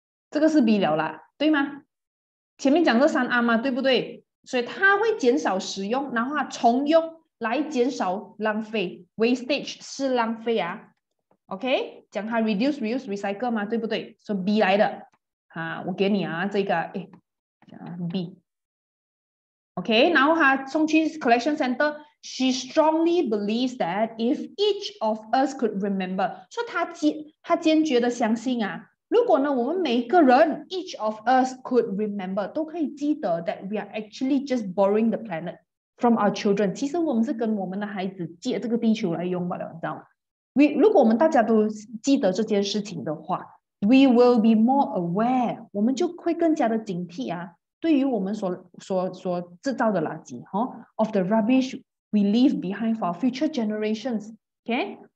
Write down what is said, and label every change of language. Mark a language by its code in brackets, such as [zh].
[zh] 这个是 B 了啦，对吗？前面讲这三 R 嘛，对不对？所以它会减少使用，然后它重用来减少浪费 ，wastage 是浪费啊 ，OK， 讲它 [en] reduce, reuse, recycle [zh] 嘛，对不对？所以 B 来的，啊，我给你啊，这个，哎，讲 B， [en] Okay, now her Songqing's collection center, she strongly believes that if each of us could remember, so [zh] 她坚决地相信啊, 如果呢, 我们每一个人, [en] each of us could remember, [zh] 都可以记得 [en] that we are actually just borrowing the planet from our children. [zh] 其实我们是跟我们的孩子借这个地球来用罢了，你知道吗？ [en] We, [zh] 如果我们大家都记得这件事情的话, [en] we will be more aware, [zh] 我们就会更加的警惕啊, 对于我们所制造的垃圾, [en] of the rubbish we leave behind for our future generations. Okay?